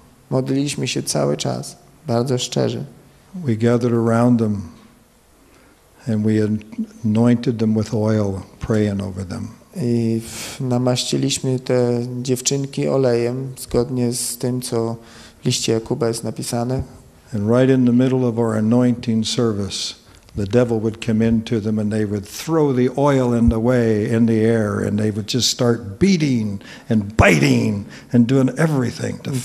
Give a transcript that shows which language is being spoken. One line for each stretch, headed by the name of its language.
Polish: Modliliśmy się cały czas, bardzo szczerze.
English: We gathered around them and we anointed them with oil, praying over them.
Polish: I namaściliśmy te dziewczynki olejem, zgodnie z tym, co w liście Jakuba jest napisane.
English: And right in the middle of our anointing service, the devil would come into them and they would throw the oil in the way, in the air, and they would just start beating and biting and doing everything to fight.